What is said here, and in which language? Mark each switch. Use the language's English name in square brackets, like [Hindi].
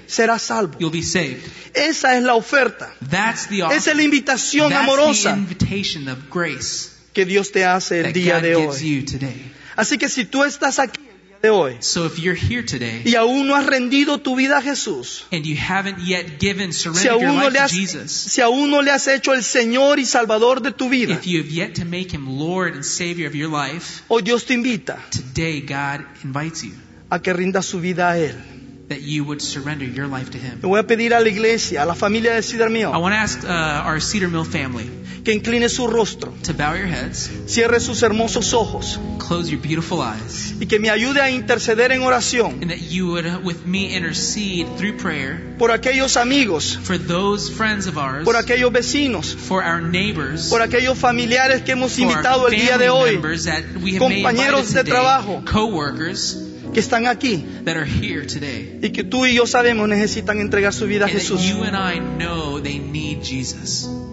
[Spanish] Será salvo. [English] You'll be saved. [Spanish] Esa es la oferta. [English] That's the offer. [Spanish] Esa es la invitación [English] That's [Spanish] amorosa. [English] The invitation of grace [Spanish] que Dios te hace el día [English] God [Spanish] de [English] gives [Spanish] hoy. [English] You today. [Spanish] Así que si tú estás aquí el día de hoy, [English] so if you're here today, [Spanish] y aún no has rendido tu vida a Jesús, [English] and you haven't yet given, surrendered your life [Spanish] le has, [English] to Jesus, [Spanish] si aún no le has hecho el Señor y Salvador de tu vida, [English] if you have yet to make him Lord and Savior of your life, [Spanish] hoy Dios te invita. [English] Today God invites you. [Spanish] A que rinda su vida a Él. [English] That you would surrender your life to him. [Spanish] Le voy a pedir a la iglesia, a la familia de Cedar Mill. [English] I want to ask our Cedar Mill family. [Spanish] que incline su rostro, [English] to bow your heads, [Spanish] cierre sus hermosos ojos, [English] close your beautiful eyes, [Spanish] y que me ayude a interceder en oración, [English] and that you would with me intercede through prayer, [Spanish] por aquellos amigos, [English] for those friends of ours, [Spanish] por aquellos vecinos, [English] for our neighbors, [Spanish] por aquellos familiares que hemos invitado el día de hoy, compañeros de trabajo, [English] co-workers, [Spanish] que están aquí, [English] that are here today, [Spanish] y que tú y yo sabemos necesitan entregar su vida a Jesús. [English] You and I know they need Jesus.